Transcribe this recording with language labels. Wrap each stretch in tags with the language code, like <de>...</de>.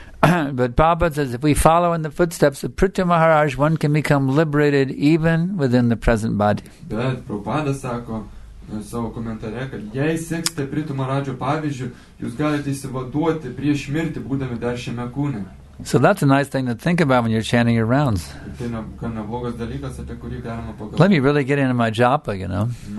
<en>But Prabhupada says, if we follow in the footsteps of Prithu Maharaj, one can become liberated even within the present body.</en> <lt>Bet Prabhupada sako savo komentare, kad jei seksite Prithu Maharajo pavyzdžiu, jūs galite išsivaduoti prieš mirti, būdami dar šiame kūne.</lt> <en>So that's a nice thing to think about when you're chanting your rounds. Let me really get into my japa, you know.</en>